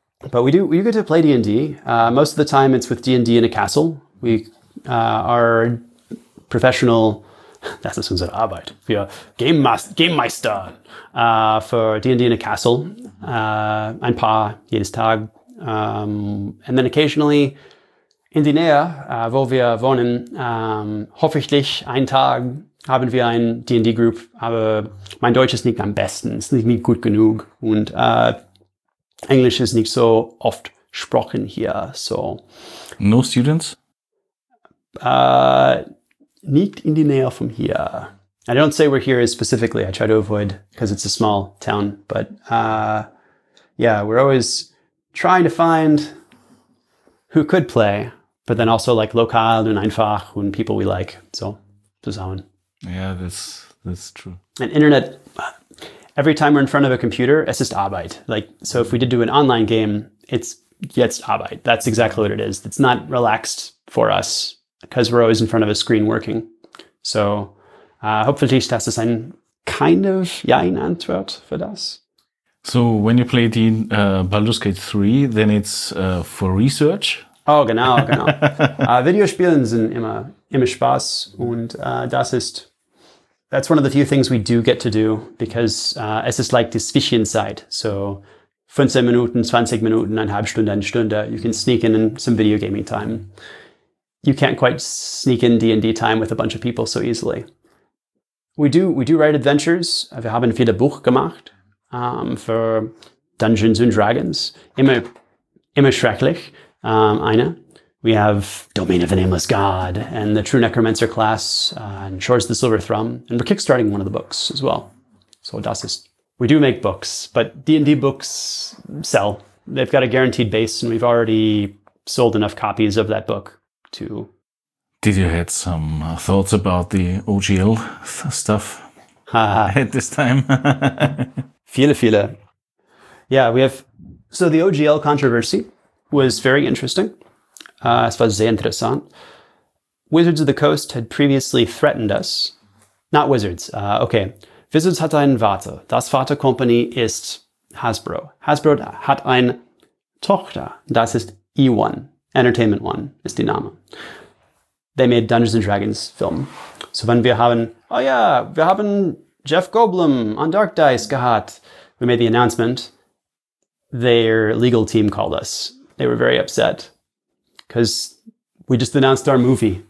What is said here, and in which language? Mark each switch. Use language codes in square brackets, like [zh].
[en] But we get to play D&D. Most of the time, it's with D&D in a castle. We are professional... That's the sense of Arbeit. We are Game Meister for D&D in a castle. [de] Ein paar jedes Tag. [en] And then occasionally [de] in die Nähe, wo wir wohnen, hoffentlich einen Tag haben wir ein D&D Group, aber mein Deutsch ist nicht am besten, ist nicht gut genug und Englisch ist nicht so oft gesprochen hier, so. [en] No students? [de] Nicht in die Nähe von hier. [en] I don't say we're here specifically, I try to avoid because it's a small town, but yeah, we're always trying to find who could play, but then also like [de] lokal und einfach und [en] people we like. [de] So, zusammen. [en] Yeah, that's true. And internet, every time we're in front of a computer, [de] es ist Arbeit. [en] Like, so if we did do an online game, it's [de] jetzt Arbeit. [en] That's exactly what it is. It's not relaxed for us because we're always in front of a screen working. So, hopefully, [de] das ist ein [en] kind of [de] jein Antwort für das. [en] So when you play the Baldur's Gate 3, then it's for research? [de] Oh, genau. Videospielen sind immer Spaß. Und [en] that's one of the few things we do get to do, because [de] es ist [en] like [de] die Zwischenzeit. So 15 Minuten, 20 Minuten, eine halbe Stunde, eine Stunde. [en] You can sneak in some video gaming time. You can't quite sneak in D&D time with a bunch of people so easily. We do write adventures. [de] Wir haben viele Buch gemacht. For Dungeons and Dragons, immer schrecklich, eine. [en] We have Domain of the Nameless God and the True Necromancer class and Shores of the Silver Thrum, and we're kickstarting one of the books as well. So [de] das ist, [en] we do make books, but D&D books sell. They've got a guaranteed base, and we've already sold enough copies of that book to... Did you have some thoughts about the OGL stuff at this time? [de] Viele. [en] Yeah, we have... So the OGL controversy was very interesting. [de] Es war sehr interessant. [en] Wizards of the Coast had previously threatened us. Not Wizards. Okay. [de] Wizards hat ein Vater. Das Vater Company ist Hasbro. Hasbro hat ein Tochter. Das ist E1. Entertainment One ist die Name. [en] They made Dungeons and Dragons film. [de] So wenn wir haben... [en] Oh yeah, [de] wir haben... [en] Jeff Goldblum on Dark Dice gehad. We made the announcement. Their legal team called us. They were very upset because we just announced our movie.